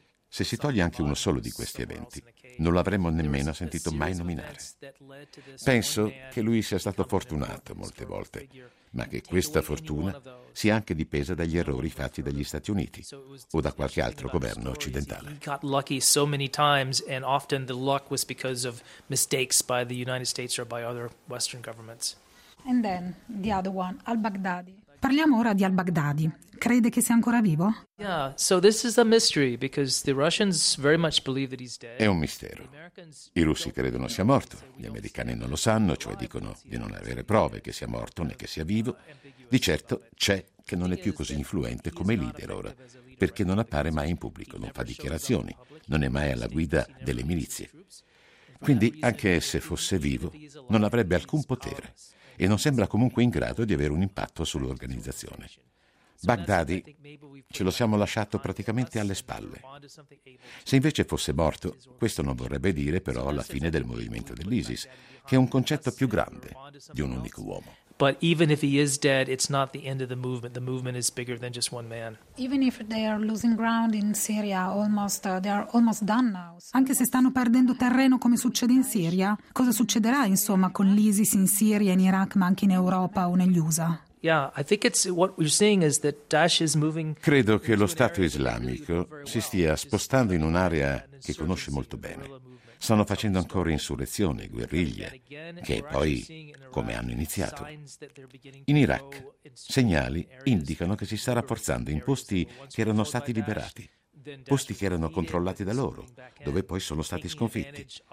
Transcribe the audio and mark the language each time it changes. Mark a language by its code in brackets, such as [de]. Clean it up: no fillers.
[it] Se si toglie anche uno solo di questi eventi, non l'avremmo nemmeno sentito mai nominare. Penso che lui sia stato fortunato molte volte, ma che questa fortuna sia anche dipesa dagli errori fatti dagli Stati Uniti o da qualche altro governo occidentale. [en] He got lucky so many times, and often the luck was because of mistakes by the United States or by other Western governments. And then the other one, al-Baghdadi. [it] Parliamo ora di al-Baghdadi. Crede che sia ancora vivo? È un mistero. I russi credono sia morto, gli americani non lo sanno, cioè dicono di non avere prove che sia morto né che sia vivo. Di certo c'è che non è più così influente come leader ora, perché non appare mai in pubblico, non fa dichiarazioni, non è mai alla guida delle milizie. Quindi anche se fosse vivo non avrebbe alcun potere. E non sembra comunque in grado di avere un impatto sull'organizzazione. Baghdadi ce lo siamo lasciato praticamente alle spalle. Se invece fosse morto, questo non vorrebbe dire però la fine del movimento dell'ISIS, che è un concetto più grande di un unico uomo. [en] But even if he is dead, it's not the end of the movement. The movement is bigger than just one man. Even if they are losing ground in Syria, almost they are almost done now. [it] Anche se stanno perdendo terreno, come succede in Siria, cosa succederà insomma con l'ISIS in Siria, in Iraq, ma anche in Europa o negli USA? [en] Yeah, I think it's what we're seeing is that Daesh is moving. [it] Credo che lo Stato Islamico si stia spostando in un'area che conosce molto bene. Stanno facendo ancora insurrezione, guerriglia, che poi come hanno iniziato. In Iraq, segnali indicano che si sta rafforzando in posti che erano stati liberati, posti che erano controllati da loro, dove poi sono stati sconfitti.